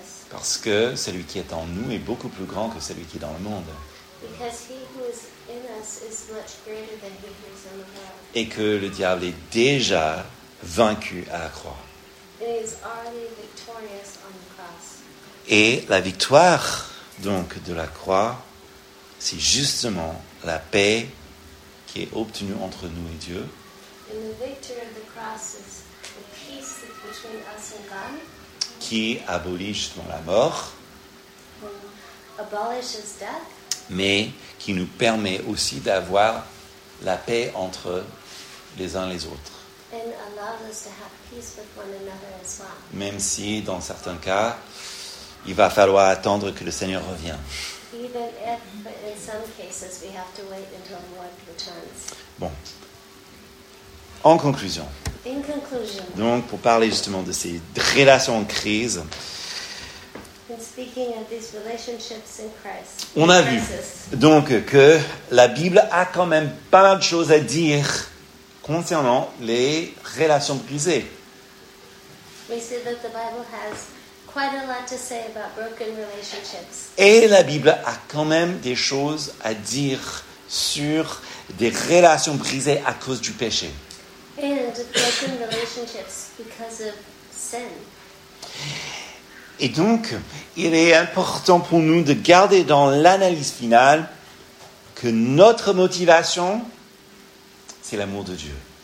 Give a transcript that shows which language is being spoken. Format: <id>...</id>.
<fr>Parce que celui qui est en nous est beaucoup plus grand que celui qui est dans le monde.</fr> <en>Because he who is in us is much greater than he who is in the world.</en> <fr>Et que le diable est déjà vaincu à la croix.</fr> <en>And he is already victorious on the cross.</en> <fr>Et la victoire, donc, de la croix, c'est justement la paix qui est obtenue entre nous et Dieu.</fr> <en>And the victory of the cross is the peace between us and God.</en> <fr>Qui abolit justement la mort.</fr> <en>Who abolishes death.</en> <fr>Mais qui nous permet aussi d'avoir la paix entre les uns les autres.</fr> <en>And allows us to have peace with one another as well.</en> <fr>Même si, dans certains cas, il va falloir attendre que le Seigneur revienne.</fr> <en>Even if, in some cases, we have to wait until the Lord returns.</en> <fr>Bon. En conclusion.</fr> <en>In conclusion.</en> <fr>Donc, pour parler justement de ces relations en crise.</fr> <en>In speaking of these relationships in Christ,</en> <fr>on a vu donc que la Bible a quand même pas mal de choses à dire concernant les relations brisées.</fr> <en>We see that the Bible has quite a lot to say about broken relationships.</en> <fr>Et la Bible a quand même des choses à dire sur des relations brisées à cause du péché.</fr> <en>And broken relationships because of sin.</en> <fr>Et donc, il est important pour nous de garder dans l'analyse finale que notre motivation, c'est l'amour de Dieu.</fr>